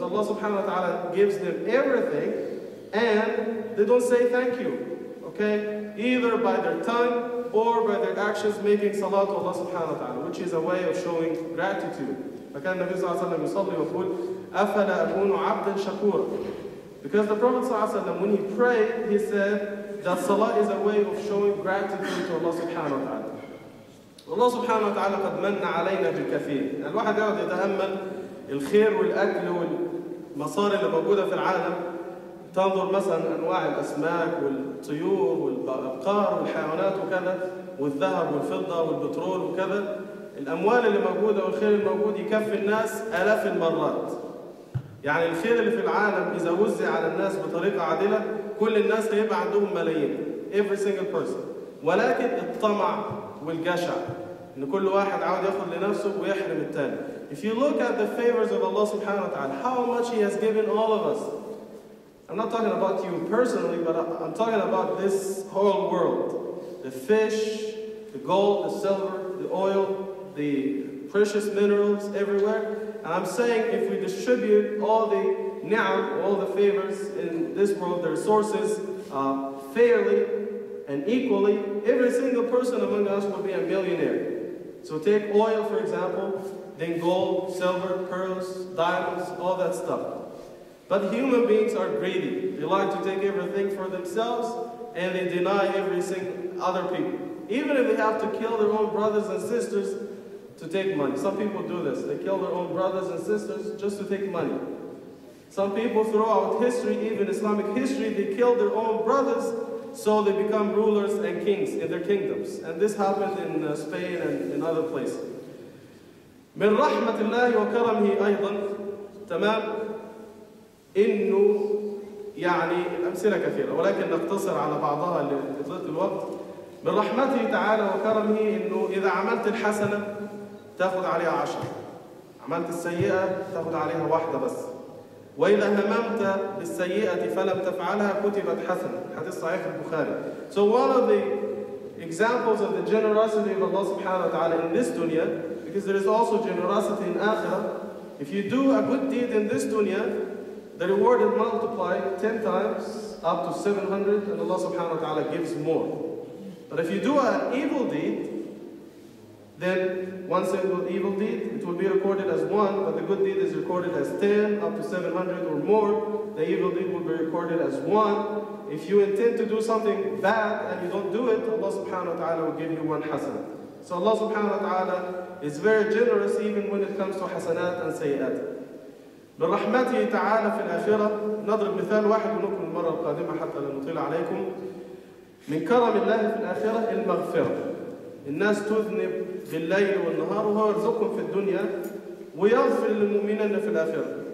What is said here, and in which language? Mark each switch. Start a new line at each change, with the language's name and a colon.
English: Allah subhanahu wa ta'ala gives them everything and they don't say thank you, okay, either by their tongue or by their actions making salah to Allah subhanahu wa ta'ala, which is a way of showing gratitude.
Arabic: فكان النبي صلى الله عليه وسلم يصلي ويقول أفلا أكون عبدا شكورا,
English: because the Prophet صلى الله عليه وسلم when he prayed he said that salah is a way of showing gratitude to Allah subhanahu wa ta'ala.
Arabic: الله سبحانه وتعالى قد من علينا بالكثير. الواحد يقعد يتأمل الخير والأكل والمصاري اللي موجودة في العالم. تنظر مثلا أنواع الأسماك والطيور والبقار والحيوانات وكذا والذهب والفضة والبترول وكذا. الأموال اللي موجودة والخير الموجود يكفي الناس آلاف المرات. يعني الخير اللي في العالم إذا وزع على الناس بطريقة عادلة كل الناس هيبقى عندهم ملايين.
English: Every single person.
Arabic: ولكن الطمع والجشع ان كل واحد عاوز ياخد لنفسه ويحرم الثاني.
English: If you look at the favors of Allah subhanahu wa ta'ala, how much He has given all of us. I'm not talking about you personally, but I'm talking about this whole world. The fish, the gold, the silver, the oil, the precious minerals everywhere. And I'm saying if we distribute all the ni'am, all the favors in this world, the resources fairly and equally, every single person among us will be a millionaire. So take oil, for example, then gold, silver, pearls, diamonds, all that stuff. But human beings are greedy. They like to take everything for themselves, and they deny every single other people. Even if they have to kill their own brothers and sisters to take money. Some people do this. They kill their own brothers and sisters just to take money. Some people throughout history, even Islamic history, they kill their own brothers so they become rulers and kings in their kingdoms. And this happened in Spain and in other places.
Arabic: من رحمة الله وكرمه أيضا تمام إنه يعني أمثلة كثيرة ولكن نقتصر على بعضها لضيق الوقت. من رحمته تعالى وكرمه إنه إذا عملت الحسنة تأخذ عليها 10, عملت السيئة تأخذ عليها 1 بس. وإذا هممت بالسيئة فلم تفعلها كتبت حسنة. حديث صحيح البخاري.
English: So one of the examples of the generosity of Allah subhanahu wa ta'ala in this dunya, because there is also generosity in akhirah, if you do a good deed in this dunya, the reward is multiplied 10 times up to 700 and Allah subhanahu wa ta'ala gives more. But if you do an evil deed, then one single evil deed, it will be recorded as 1, but the good deed is recorded as 10, up to 700 or more. The evil deed will be recorded as 1. If you intend to do something bad and you don't do it, Allah subhanahu wa ta'ala will give you 1 hasanah. So Allah subhanahu wa ta'ala is very generous even when it comes to hasanat and sayyat.
Arabic: بالرحمته تعالى في الآخرة نضرب مثال واحد منكم المرة القادمة حتى لا نطيل عليكم. من كرم الله في الآخرة المغفرة. الناس تذنب بالليل والنهار وهو يرزقهم في الدنيا ويغفر للمؤمنين في الآخرة.